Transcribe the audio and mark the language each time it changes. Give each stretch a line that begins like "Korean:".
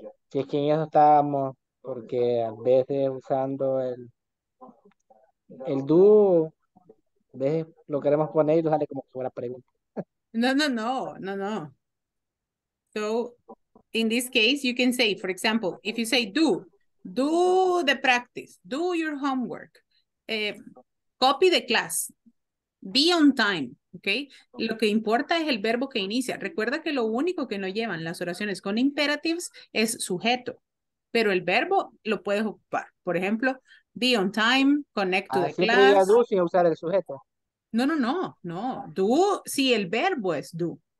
Spanish: Si es que en eso estábamos, porque a veces usando el do, a veces lo queremos poner y nos sale como que fuera pregunta. No.
English: So, in this case, you can say, for example, if you say do the practice, do your homework, copy the class, be on time. Okay.
Spanish: Lo que importa es el verbo que inicia. Recuerda que lo único que no llevan las oraciones con imperatives es sujeto, pero el verbo lo puedes ocupar. Por ejemplo,
English: be on time, connect to the class.
Spanish: Siempre diga do sin usar el sujeto. No. Do, si el verbo es do.